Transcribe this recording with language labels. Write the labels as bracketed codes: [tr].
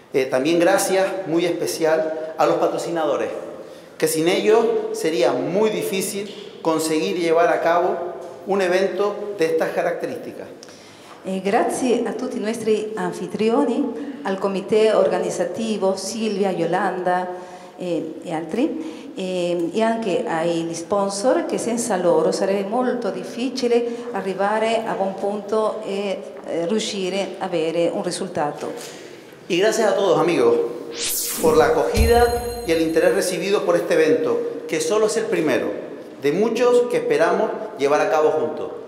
[es] También gracias muy especial a los patrocinadores, que sin ellos sería muy difícil conseguir llevar a cabo un evento de estas características. [it] Grazie a tutti nostri anfitrioni, al comitè organizzativo, Silvia, Yolanda e altri, e anche agli sponsor, che senza loro sarebbe molto difficile arrivare a buon punto e riuscire a avere un risultato. [es] Y gracias a todos, amigos, por la acogida y el interés recibido por este evento, que solo es el primero de muchos que esperamos llevar a cabo juntos.